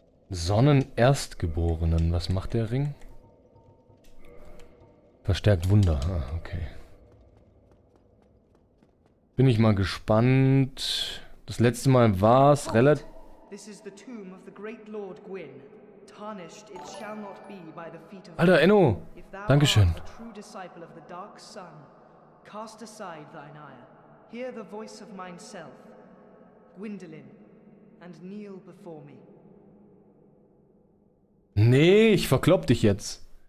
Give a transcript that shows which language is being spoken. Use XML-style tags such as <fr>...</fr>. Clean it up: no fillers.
<de>Sonnenerstgeborenen, was macht der Ring? Verstärkt Wunder, ah, okay. Bin ich mal gespannt. Das letzte Mal war es relativ.</de> <en>This is the tomb of the great Lord Gwyn. Tarnished, it shall not be by the feet of.</en> <de>Alter, Enno! Dankeschön.</de> <en>If thou art a true disciple of the dark sun, cast aside thine ire. Hear the voice of mine self, Gwyndolin, and kneel before me.</en> <de>Nee, ich verklopp dich jetzt.</de>